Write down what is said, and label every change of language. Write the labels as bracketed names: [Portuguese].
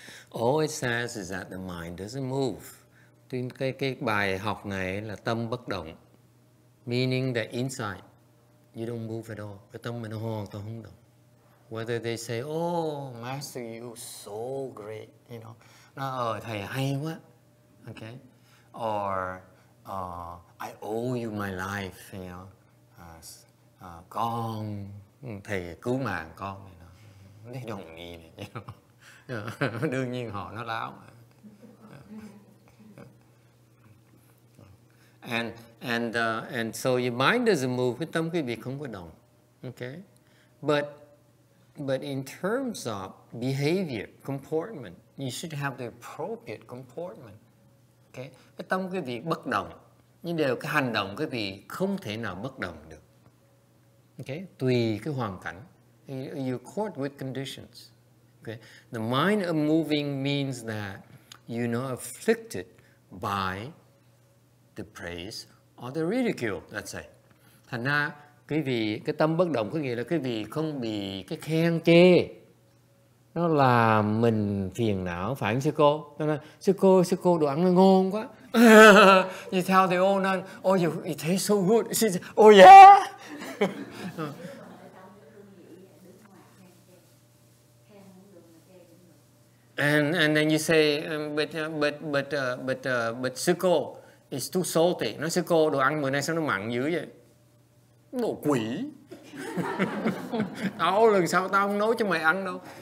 [English] All it says is that the mind doesn't move. [Vietnamese] Tuy cái bài học này là tâm bất động, [English] meaning that inside you don't move at all. [Vietnamese] Cái tâm mình hoàn toàn không động. [English] Whether they say, "Oh, Master, you're so great," you know, [Vietnamese] thầy hay quá, [English] okay, or "I owe you my life," you know, [Vietnamese] con, thầy cứu mạng con, [English] you know, they don't mean it, you know. [Vietnamese] Đương nhiên họ nó láo. [English] And so your mind doesn't move. [Vietnamese] Cái tâm cái việc không có động, [English] okay, but in terms of behavior, comportment, you should have the appropriate comportment. [Vietnamese] Okay, cái tâm cái việc bất động, nhưng đều cái hành động cái việc không thể nào bất động được. [English] Okay, [Vietnamese] tùy cái hoàn cảnh, [English] you accord with conditions. Okay, the mind unmoving means that you're not afflicted by the praise or the ridicule, let's say. [Vietnamese] Thành ra quý vị, cái tâm bất động có nghĩa là quý vị không bị cái khen chê nó làm mình phiền não, phải không sư cô? Nó nói, sư cô đồ ăn nó ngon quá. [English] You tell the old nun, "Oh, you, it tastes so good." She said, "Oh yeah." And then you say, but sư cô, it's too salty. [Vietnamese] Nói sư cô, đồ ăn bữa nay sao nó mặn dữ vậy? Nó quỷ. Tao lần sau tao không nấu cho mày ăn đâu.